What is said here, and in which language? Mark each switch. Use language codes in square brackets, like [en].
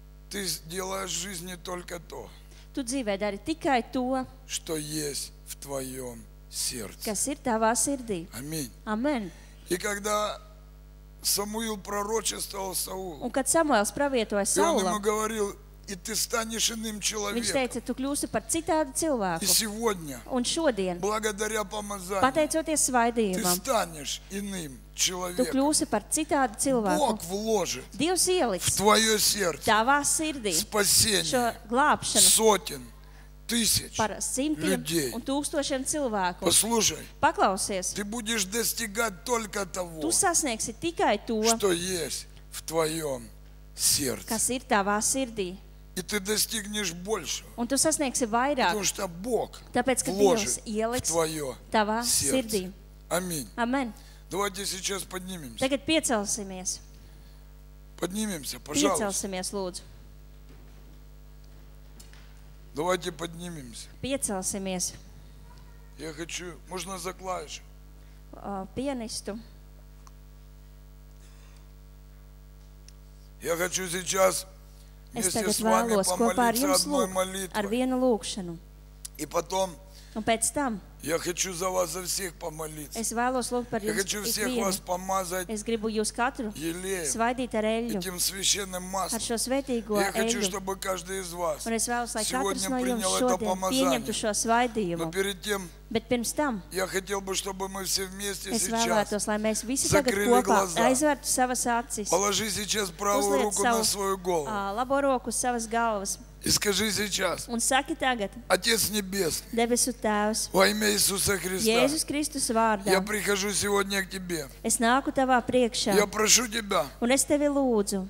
[ru] Ты делаешь жизни только то. [lv] Tu dzīvē dari tikai to. [ru] Что есть в твоём сердце. [lv] Kas ir tavā sirdī. [ru] Аминь. [lv] Amen. [ru] И когда Самуил пророчествовал Саулу. [lv] Un kad Samuēls pravietoja Saulam. [ru] Он ему говорил: "И ты станешь иным человеком". [lv] Viņš teica, tu kļūsi par citādu cilvēku. [ru] И сегодня. [lv] Un šodien. [ru] Благодаря помазанию. [lv] Pateicoties svaidījumam. [ru] Ты станешь иным человеком. [lv] Tu kļūsi par citādu cilvēku. [ru] Бог вложил. [lv] Dievs ieliks. [ru] В твоё сердце. [lv] Tavā sirdī. [ru] Спасение. [lv] Šo glābšanu. [ru] Сотен. Тысяч. [lv] Par simtiem [ru] людей. [lv] Un tūkstošiem cilvēku. [ru] Послушай. [lv] Paklausies. [ru] Ты будешь достигать только того. [lv] Tu sasniegsi tikai to. [ru] Что есть в твоём сердце. [lv] Kas ir tavā sirdī. [ru] И ты достигнешь больше. [lv] Un tu sasniegsi vairāk. [ru] Потому что Бог. [lv] Tāpēc, ka Dievs ieliks tavā sirdī. [ru] Аминь. [lv] Amen. [ru] Давайте сейчас поднимемся. [lv] Tagad piecelsimies. [ru] Поднимемся, пожалуйста. [lv] Piecelsimies, lūdzu. [ru] Давайте поднимемся. [lv] Piecelsimies. [ru] Я хочу, можно за клавишу. [lv] Pianistu. [ru] Я хочу сейчас вместе с вами помолиться [lv] ar vienu lūkšanu. [ru] И потом. [lv] Un pēc tam. [ru] Я хочу за вас за всех помолиться. [lv] Es vēlos lūkt par jums. [ru] Я хочу всех vas pamazāt. [lv] Es gribu jūs katru svaidīt ar eļļu. [ru] Этим священным маслом. [lv] Ar šo svētīgo eļļu. [ru] Я хочу, чтобы каждый из вас. [lv] Un es vēlos, lai katrs no jums šodien pieņemtu šo svaidījumu. [ru] Но перед тем. [lv] Bet pirms tam. [ru] Я хотел бы, чтобы мы все вместе сейчас. [lv] Es vēlētos, lai mēs visi tagad kopā aizvērtu savas acis. [ru] Положи сейчас правую руку на свою голову. [lv] Labo roku savas galvas. [ru] И скажи сейчас. [lv] Un saki tagad. [ru] Отец небесный. [lv] Debesu Tēvs. [ru] Во имя Иисуса Христа. [lv] Jēzus Kristus vārdā. [ru] Я прихожу сегодня к тебе. [lv] Es nāku tavā priekšā. [ru] Я прошу тебя. [lv] Un es tevi lūdzu.